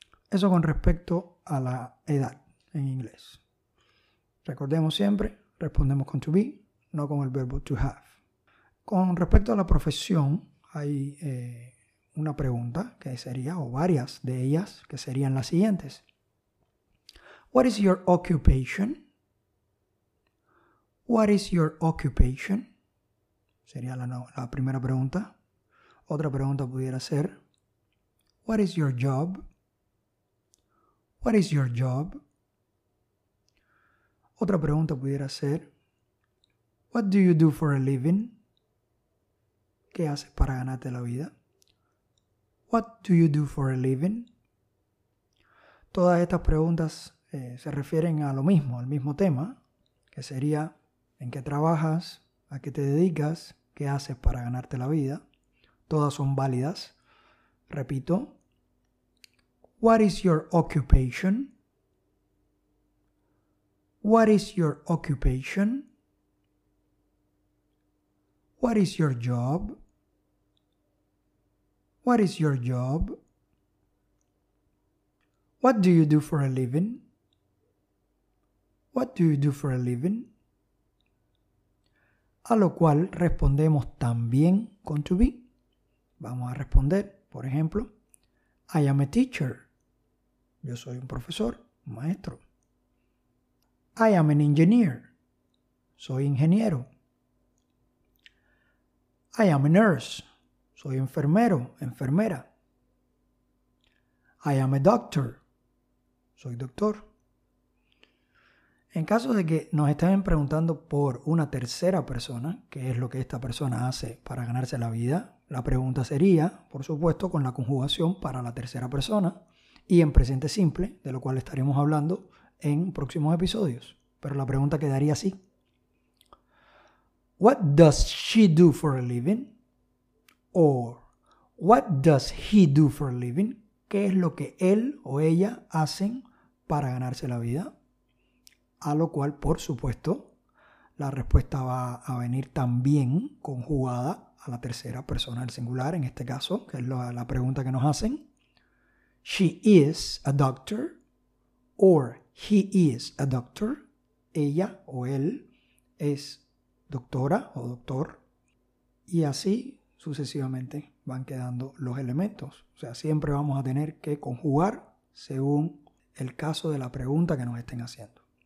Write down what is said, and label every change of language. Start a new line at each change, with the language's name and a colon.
Spanish: Eso con respecto a la edad en inglés. Recordemos siempre, respondemos con to be, no con el verbo to have. Con respecto a la profesión, hay una pregunta que sería, o varias de ellas, que serían las siguientes.
English: What is your occupation? What is your occupation?
Spanish: Sería la primera pregunta. Otra pregunta pudiera ser,
English: what is your job? What is your job?
Spanish: Otra pregunta pudiera ser,
English: what do you do for a living?
Spanish: ¿Qué haces para ganarte la vida?
English: What do you do for a living?
Spanish: Todas estas preguntas se refieren a lo mismo, al mismo tema, que sería, ¿en qué trabajas? ¿A qué te dedicas? ¿Qué haces para ganarte la vida? Todas son válidas. Repito.
English: What is your occupation? What is your occupation? What is your job? What is your job? What do you do for a living? What do you do for a living?
Spanish: A lo cual respondemos también con to be. Vamos a responder, por ejemplo,
English: I am a teacher.
Spanish: Yo soy un profesor, un maestro.
English: I am an engineer.
Spanish: Soy ingeniero.
English: I am a nurse.
Spanish: Soy enfermero, enfermera.
English: I am a doctor.
Spanish: Soy doctor. En caso de que nos estén preguntando por una tercera persona, qué es lo que esta persona hace para ganarse la vida, la pregunta sería, por supuesto, con la conjugación para la tercera persona y en presente simple, de lo cual estaremos hablando en próximos episodios. Pero la pregunta quedaría así.
English: What does she do for a living? Or, what does he do for a living?
Spanish: ¿Qué es lo que él o ella hacen para ganarse la vida? A lo cual, por supuesto, la respuesta va a venir también conjugada a la tercera persona del singular, en este caso, que es la pregunta que nos hacen.
English: She is a doctor or he is a doctor.
Spanish: Ella o él es doctora o doctor. Y así sucesivamente van quedando los elementos. O sea, siempre vamos a tener que conjugar según el caso de la pregunta que nos estén haciendo.